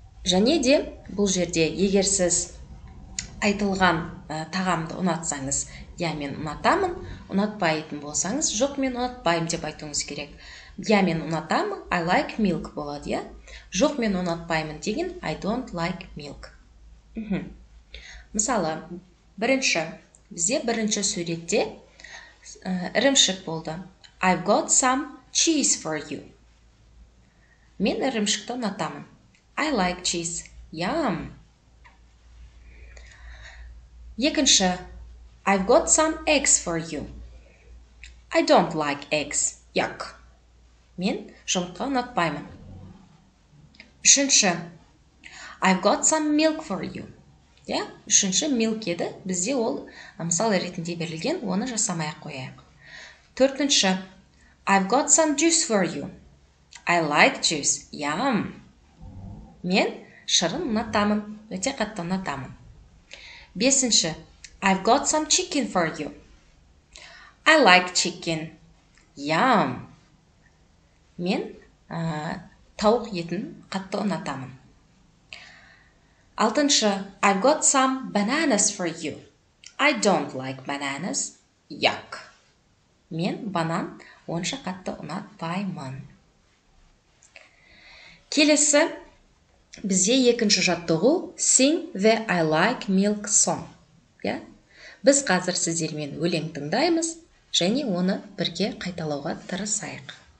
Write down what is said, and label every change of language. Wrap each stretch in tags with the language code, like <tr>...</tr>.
<kk>Және де бұл жерде егер сіз айтылған тағамды ұнатсаңыз, я мен ұнатамын, ұнатпайтын болсаңыз, жоқ мен ұнатпайым деп айтуыңыз керек. Я мен ұнатамын,</kk> <en>I like milk</en> <kk>болады, я? Жоқ мен ұнатпаймын деген,</kk> <en>I don't like milk.</en> <kk>Мысалы, бірінші, бізде бірінші суретте ірімшік болды.</kk> <en>I've got some cheese for you.</en> <kk>Мен ірімшікті ұнатамын.</kk> <en>I like cheese. Yum.</en> <kk>Екінші.</kk> <en>I've got some eggs for you. I don't like eggs. Yuck.</en> <kk>Мен жұмыртқа ұнатпаймын. Үшінші.</kk> <en>I've got some milk for you. Yeah?</en> <kk>Үшінші milk еді. Бізде ол мысал ретінде берілген. Оны жасамай қояйық. Төртінші.</kk> <en>I've got some juice for you. I like juice. Yum.</en> <kk>Мен шырын ұнатамын. Өте қатты ұнатамын. Бесінші.</kk> <en>I've got some chicken for you. I like chicken. Yum.</en> <kk>Мен тауық етін қатты ұнатамын. Алтыншы.</kk> <en>I've got some bananas for you. I don't like bananas. Yuck.</en> <kk>Мен банан онша қатты ұнатпаймын. Келесі. Бізде екінші жаттығу</kk> <en>Sing the I like milk song.</en> <kk>Біз қазір сіздермен өлең тыңдаймыз, және оны бірге қайталауға тырысайық.</kk>